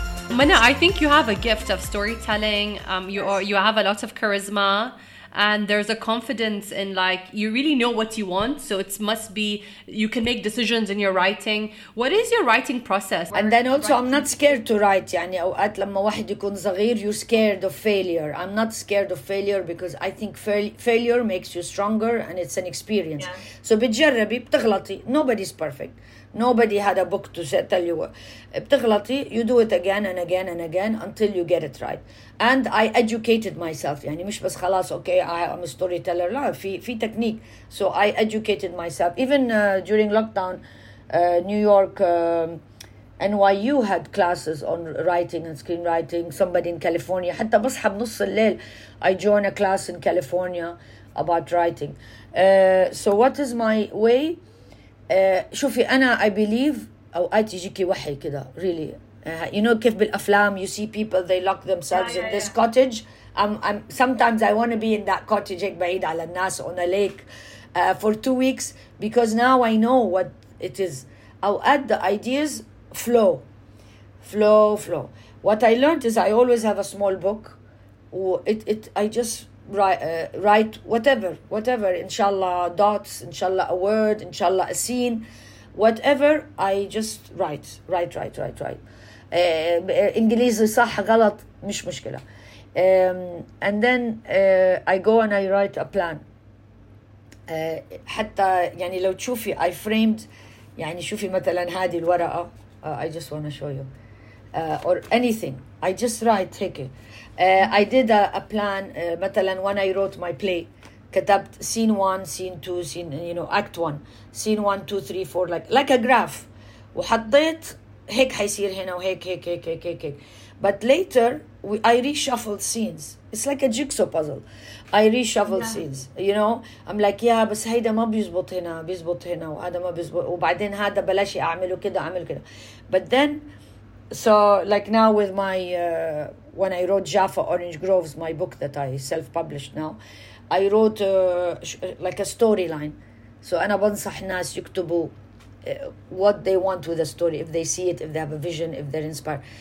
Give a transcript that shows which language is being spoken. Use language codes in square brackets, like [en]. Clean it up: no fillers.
[en] Mana, I think you have a gift of storytelling. You have a lot of charisma, and there's a confidence in, like, you really know what you want. So it must be, you can make decisions in your writing. What is your writing process? And then also, I'm not scared to write. [ar] يعني أوقات لما واحد يكون صغير, [en] you're scared of failure. I'm not scared of failure because I think failure makes you stronger and it's an experience. Yeah. [ar] So بتجربي, بتغلطي. [en] Nobody's perfect. Nobody had a book to say, tell you what. [ar] بتغلطي, [en] you do it again and again and again until you get it right. And I educated myself. [ar] يعني مش بس خلاص, [en] okay, I'm a storyteller. [ar] لا, في technique. [en] So I educated myself. Even during lockdown, New York, NYU had classes on writing and screenwriting. Somebody in California. [ar] حتى بصحى بنص الليل, [en] I joined a class in California about writing. So what is my way? [ar] شوفي, أنا [en] I believe [ar] أوقات يجيكي وحي كده, really. [en] You know, [ar] كيف بالأفلام, [en] you see people, they lock themselves in this cottage. Sometimes I want to be in that cottage, [ar] بعيد على الناس, [en] on a lake, for 2 weeks, because now I know what it is. [ar] أوقات [en] the ideas flow. Flow. What I learned is I always have a small book. I just write whatever, inshallah, dots, inshallah, a word, inshallah, a scene, whatever, I just write. [ar] English صح غلط مش مشكلة. [en] And then I go and I write a plan. [ar] حتى يعني لو تشوفي, [en] I framed, [ar] يعني شوفي مثلا هذه الورقة, [en] I just want to show you, or anything, I just write, take it. I did a plan, [ar] مثلاً [en] when I wrote my play, [ar] كتبت [en] scene one, scene two, scene, you know, act one, scene one, two, three, four, like a graph. [ar] وحطيت هيك حيصير هنا وهيك هيك هيك هيك هيك. [en] But later, I reshuffled scenes. It's like a jigsaw puzzle. I reshuffled scenes, you know. I'm like, yeah, [ar] بس هيدا ما بيزبط هنا, بيزبط هنا, وهذا ما بيزبط, وبعدين هذا بلاشي أعمله كده, أعمل كده. [en] But then, so like now with my... when I wrote Jaffa Orange Groves, my book that I self-published now, I wrote like a storyline. So [ar] أنا بنصح ناس يكتبوا [en] what they want with a story, if they see it, if they have a vision, if they're inspired.